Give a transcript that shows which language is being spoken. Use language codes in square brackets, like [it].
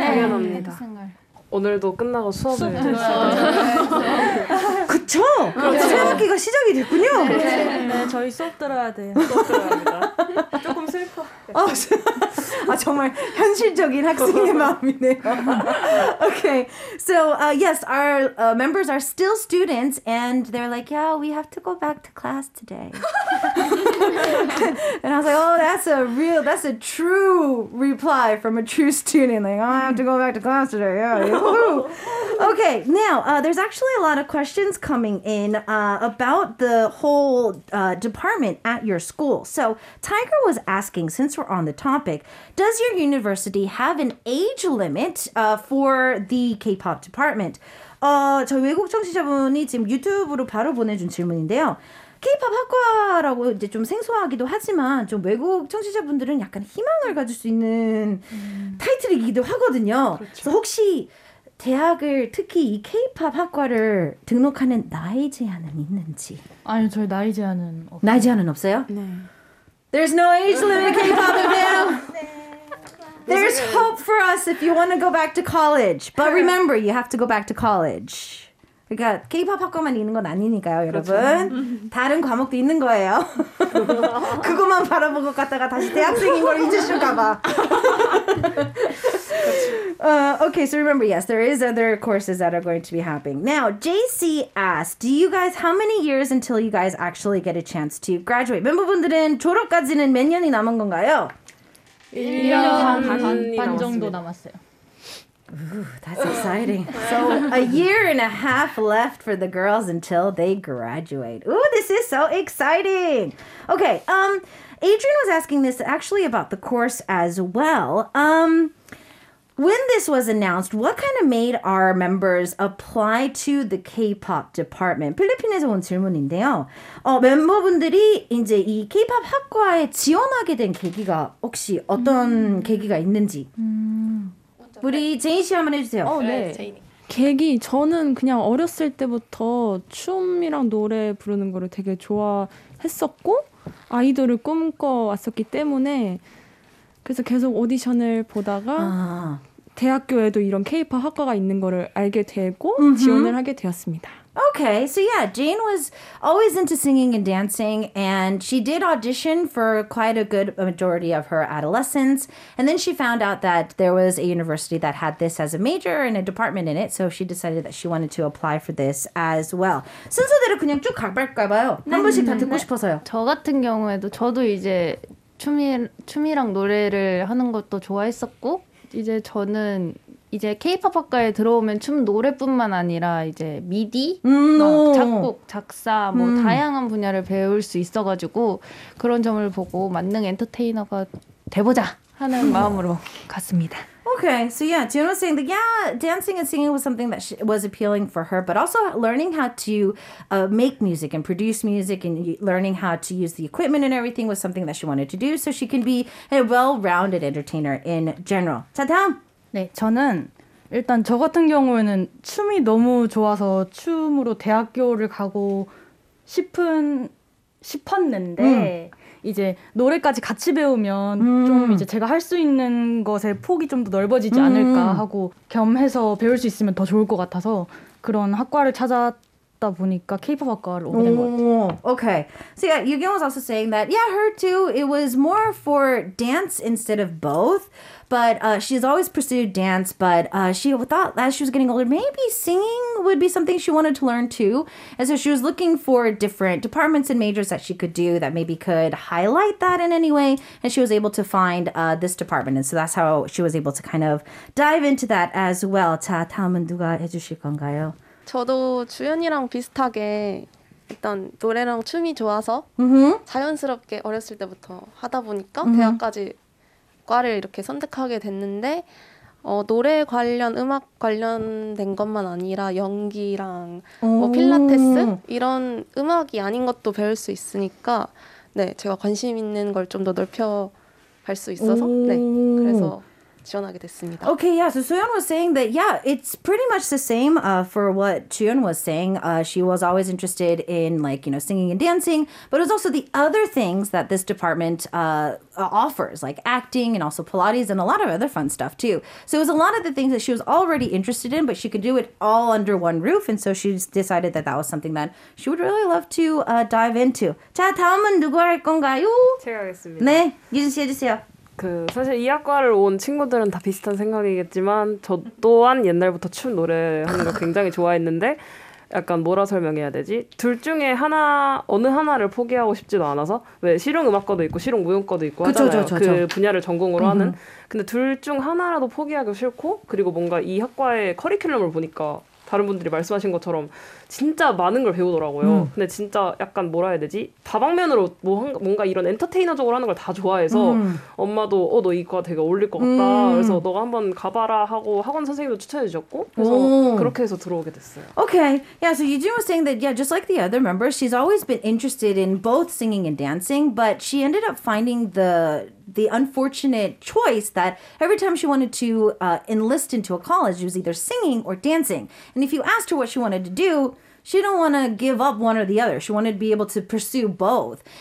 [ko] 당연합니다. 오늘도 끝나고 수업을 그쵸? 새학기가 시작이 됐군요. 네, 네, 네, 저희 수업 들어야 돼요. 조금 슬퍼. 아, 정말 현실적인 학생의 마음이네요. [en] Okay, so yes, our members are still students, and they're like, yeah, we have to go back to class today. And I was like, oh, that's a true reply from a true student. Like, oh, I have to go back to class today. Yeah. Okay, now, there's actually a lot of questions coming in about the whole department at your school. So Tiger was asking, since we're on the topic, does your university have an age limit for the K-pop department? [ko] 저희 외국 청취자분이 지금 유튜브로 바로 보내준 질문인데요. K-pop 학과라고 이제 좀 생소하기도 하지만 좀 외국 청취자분들은 약간 희망을 가질 수 있는 타이틀이기도 하거든요. 그렇죠. 그래서 혹시 대학을 특히 이 K-POP 학과를 등록하는 나이 제한은 있는지? 아니요, 저희 나이 제한은 없어요. 나이 제한은 없어요? 네. [en] There's no age limit in K-POP now. There's hope for us if you want to go back to college. But remember, you have to go back to college. [ko] 그러니까 K-POP 학과만 있는 건 아니니까요, 여러분. 다른 과목도 있는 거예요. 그것만 바라본 것 같다가 다시 대학생인 걸 잊으실까 봐. [en] Okay, so remember, yes, there is other courses that are going to be happening. Now, JC asked, do you guys, how many years until you guys actually get a chance to graduate? [ko] 멤버분들은 졸업까지는 몇 년이 남은 건가요? 1년 반 정도 남았어요. [en] Ooh, that's exciting. So, a year and a half left for the girls until they graduate. Ooh, this is so exciting. Okay, Adrian was asking this actually about the course as well. When this was announced, what kind of made our members apply to the K-pop department? [ko] 필리핀에서 온 질문인데요. 멤버분들이 이제 이 K-pop 학과에 지원하게 된 계기가 혹시 어떤 계기가 있는지. 우리 제인 씨 한번 해주세요. 네. 계기, 저는 그냥 어렸을 때부터 춤이랑 노래 부르는 거를 되게 좋아했었고 아이돌을 꿈꿔왔었기 때문에 그래서 계속 오디션을 보다가 대학교에도 이런 K-pop 학과가 있는 거를 알게 되고 지원을 하게 되었습니다. [en] Okay, so yeah, Jane was always into singing and dancing, and she did audition for quite a good majority of her adolescence, and then she found out that there was a university that had this as a major and a department in it, so she decided that she wanted to apply for this as well. [ko] 순서대로 그냥 쭉 가볼까 봐요. 한 번씩 다 듣고 싶어서요. 저 같은 경우에도 저도 이제 춤이랑 노래를 하는 것도 좋아했었고 이제 저는 이제 K-pop 학과에 들어오면 춤 노래뿐만 아니라 이제 미디, 작곡, 작사 뭐 다양한 분야를 배울 수 있어가지고 그런 점을 보고 만능 엔터테이너가 돼보자 하는 마음으로 갔습니다. [en] Okay, so yeah, Jin was saying that, yeah, dancing and singing was something that was appealing for her, but also learning how to make music and produce music and learning how to use the equipment and everything was something that she wanted to do, so she can be a well-rounded entertainer in general. [ko] 자, 다음! 네, 저는 일단 저 같은 경우에는 춤이 너무 좋아서 춤으로 대학교를 가고 싶었는데 이제 노래까지 같이 배우면 좀 이제 제가 할 수 있는 것의 폭이 좀 더 넓어지지 않을까 하고 겸해서 배울 수 있으면 더 좋을 것 같아서 그런 학과를 찾았다 보니까 K-pop 학과를 오게 된 것 같아요. [en] Okay. So yeah, Yugyeon was also saying that yeah, her too, it was more for dance instead of both. But she's always pursued dance, but she thought as she was getting older, maybe singing would be something she wanted to learn too. And so she was looking for different departments and majors that she could do that maybe could highlight that in any way. And she was able to find this department. And so that's how she was able to kind of dive into that as well. [ko] 자, 다음은 누가 해주실 건가요? 저도 주연이랑 비슷하게 일단 노래랑 춤이 좋아서 자연스럽게 어렸을 때부터 하다 보니까 대학까지 과를 이렇게 선택하게 됐는데 노래 관련, 음악 관련된 것만 아니라 연기랑 뭐 필라테스 이런 음악이 아닌 것도 배울 수 있으니까 네, 제가 관심 있는 걸 좀 더 넓혀 갈 수 있어서 네, 그래서 지원하게 됐습니다. [en] Okay, yeah, so Soyeon was saying that, yeah, it's pretty much the same for what Chuyeon was saying. She was always interested in, like, you know, singing and dancing, but it was also the other things that this department offers, like acting and also Pilates and a lot of other fun stuff, too. So it was a lot of the things that she was already interested in, but she could do it all under one roof, and so she decided that that was something that she would really love to dive into. [ko] 자, 다음은 누구 할 건가요? 제가 하겠습니다. 네, 유진 씨 해주세요. 사실 이 학과를 온 친구들은 다 비슷한 생각이겠지만 저 또한 옛날부터 춤 노래 하는 거 굉장히 좋아했는데 약간 뭐라 설명해야 되지? 둘 중에 하나 어느 하나를 포기하고 싶지도 않아서 왜 실용 음악과도 있고 실용 무용과도 있고 하잖아요. 그 분야를 전공으로 하는 근데 둘 중 하나라도 포기하기 싫고 그리고 뭔가 이 학과의 커리큘럼을 보니까 다른 분들이 말씀하신 것처럼 진짜 많은 걸 배우더라고요. 근데 진짜 약간 뭐라 해야 되지? 다방면으로 뭔가 이런 엔터테이너적으로 하는 걸 다 좋아해서 엄마도 너 이과 되게 어울릴 것 같다. 그래서 너가 한번 가봐라 하고 학원 선생님도 추천해 주셨고 그래서 그렇게 해서 들어오게 됐어요. [en] Okay. Yeah, so Yujin was saying that yeah, just like the other members, she's always been interested in both singing and dancing, but she ended up finding the the unfortunate choice that every time she wanted to enlist into a college, she was either singing or dancing. And if you asked her what she wanted to do, she didn't want to give up one or the other. She wanted to be able to pursue both.